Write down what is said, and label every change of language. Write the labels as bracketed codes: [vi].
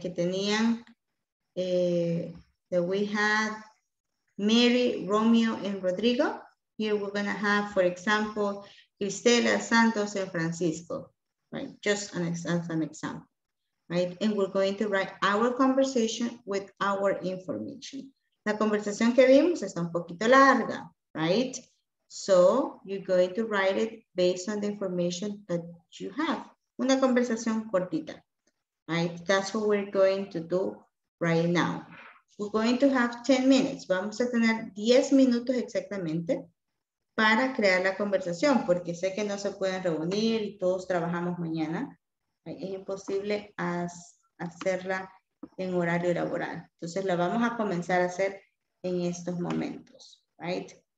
[es] Que tenían, [en] that we had Mary, Romeo, and Rodrigo. Here we're gonna have, for example, Cristela, Santos, and Francisco, right? Just an example, right? And we're going to write our conversation with our information. [es] La conversación que vimos está un poquito larga, right? [en] So you're going to write it based on the information that you have. [es] Una conversación cortita, [en] right? That's what we're going to do right now. We're going to have 10 minutes. [es] Vamos a tener 10 minutos exactamente para crear la conversación, porque sé que no se pueden reunir y todos trabajamos mañana. Es imposible hacerla en horario laboral. Entonces la vamos a comenzar a hacer en estos momentos, right?